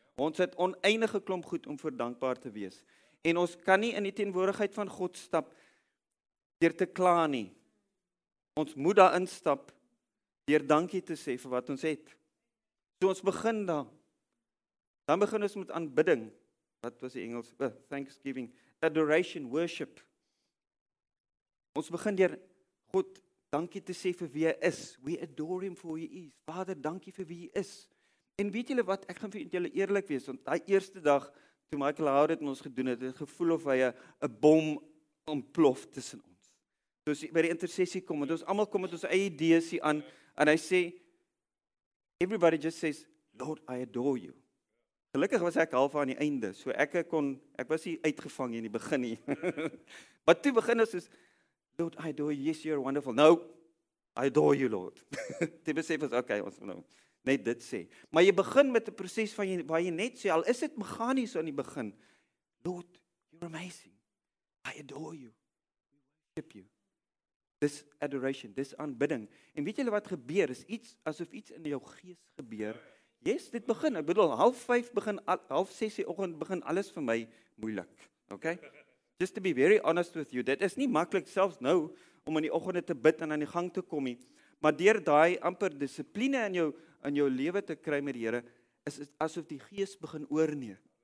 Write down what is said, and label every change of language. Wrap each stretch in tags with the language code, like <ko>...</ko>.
<af>Ons het oneindige klomp goed, om voor dankbaar te wees. En ons kan nie in die teenwoordigheid van God stap, deur te kla nie. Ons moet daar instap, deur dankie te sê, vir wat ons het. So ons begin daar. Dan begin ons met aanbidding. Wat was die Engels? Thanksgiving. Adoration, worship. Ons begin deur God dankie te sê vir wie hy is.</af> <en>We adore him for who he is.</en> <af>Vader, dankie vir wie hy is. En weet julle wat, ek gaan vir julle eerlijk wees, want die eerste dag, toe Michael Howard ons gedoen het, het gevoel of hy een bom ontplof tussen ons. Soos by die intersessie kom, want ons allemaal kom met ons eie idees hier aan, en hy sê,</af> <en>everybody just says, Lord, I adore you.</en> <af>Gelukkig was ek half aan die einde, so ek was hier uitgevang in die begin nie. Maar toe begin ons soos,</af> <en>Lord, I adore you, yes, you're wonderful. No, I adore you, Lord.</en> <af>Die besef is, okay, ons moet nou net dit sê. Maar jy begin met die proces van jy, waar jy net sê, al is het meganies aan die begin.</af> <en>Lord, you're amazing. I adore you. I worship you. This adoration, this aanbidding.</en> <af>En weet julle wat gebeur? Is iets, asof iets in jou gees gebeur. Yes, dit begin. Ek bedoel, half ses die oggend begin alles vir my moeilik. Okay?</af> <en>Just to be very honest with you,</en> <af>dit is nie makkelijk selfs nou, om in die oggende te bid en aan die gang te kom nie, maar deur daai amper disipline in jou lewe te kry met die Here, is asof die gees begin oorneem.</af>